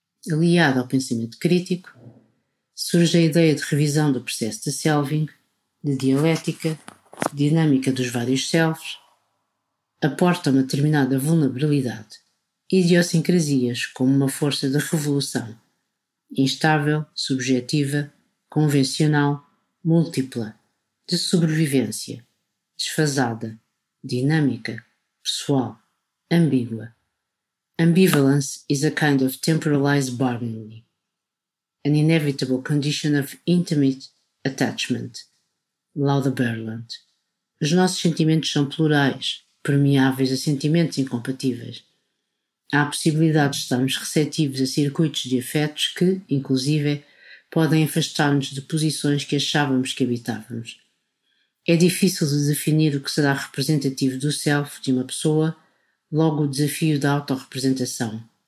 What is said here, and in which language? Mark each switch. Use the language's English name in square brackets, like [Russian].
[Portuguese] Aliado ao pensamento crítico, surge a ideia de revisão do processo de selving, de dialética, dinâmica dos vários selves, aporta uma determinada vulnerabilidade, idiosincrasias como uma força de revolução, instável, subjetiva, convencional, múltipla, de sobrevivência, desfasada, dinâmica, pessoal, ambígua. [English] Ambivalence is a kind of temporalized bargaining, an inevitable condition of intimate attachment. Lauda Berland. [Portuguese] Os nossos sentimentos são plurais, permeáveis a sentimentos incompatíveis. Há a possibilidade de estarmos receptivos a circuitos de afetos que, inclusive, podem afastar-nos de posições que achávamos que habitávamos. É difícil de definir o que será representativo do self de uma pessoa, logo o desafio da autorrepresentação.